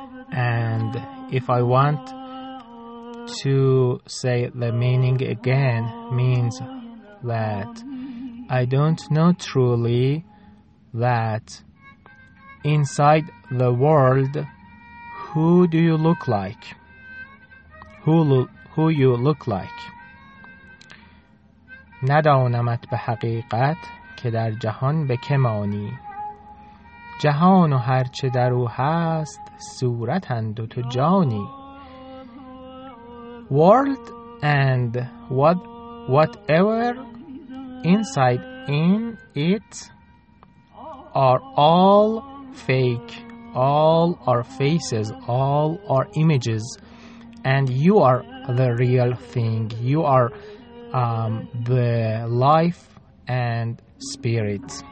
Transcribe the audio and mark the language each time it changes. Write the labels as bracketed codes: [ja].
[en] And if I want to say the meaning again, means that I don't know truly that inside the world, who do you look like? Who you look like? [fa] ندانمت به حقیقت که در جهان به که مانی. جهان و هرچه در او هست صورتند و تو جانی. [en] World and whatever inside in it are all fake. All are faces. All are images. And you are the real thing. You are the life and spirit.